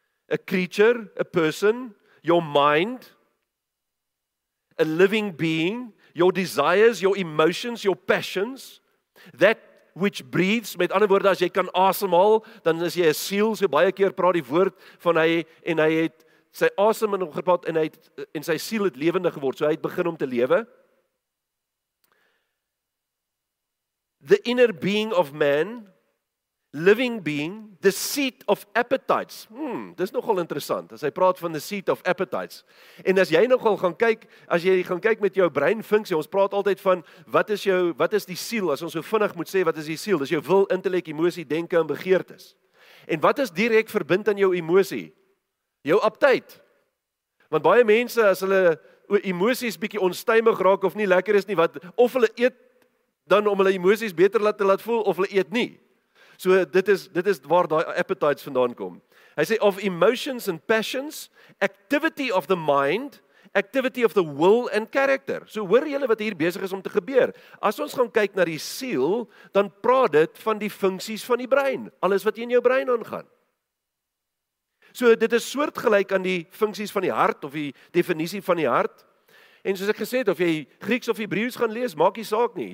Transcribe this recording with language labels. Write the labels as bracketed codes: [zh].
[en] a creature, a person, your mind, a living being, your desires, your emotions, your passions, that which breathes. [af] Met ander woorde, as jy kan asemhaal, dan is jy 'n siel. So baie keer praat die woord van hy en hy het sy asem in hom gepraat en hy het en sy siel het lewendig geword. So hy het begin om te lewe. [en] The inner being of man, living being, the seat of appetites. [af] Dis nogal interessant, as hy praat van [en] the seat of appetites. [af] En as jy nogal gaan kyk, as jy gaan kyk met jou breinfunksie, ons praat altyd van, wat is die siel, as ons so vinnig moet sê, wat is die siel? Dis jou wil, intellek, emosie, denke en begeertes. En wat is direk verbind aan jou emosie? Jou aptyd. Want baie mense, as hulle emosies bietjie onstuimig raak, of nie lekker is nie, wat, of hulle eet, dan om hulle emosies beter te laat voel, of hulle eet nie. So dit is waar die appetites vandaan kom. Hy sê, of [en] emotions and passions, activity of the mind, activity of the will and character. [af] So hoor julle wat hier besig is om te gebeur. As ons gaan kyk na die siel, dan praat dit van die funksies van die brein, alles wat in jou brein aangaan. So dit is soortgelyk aan die funksies van die hart, of die definisie van die hart. En soos ek gesê het, of jy Grieks of Hebreeus gaan lees, maak nie saak nie.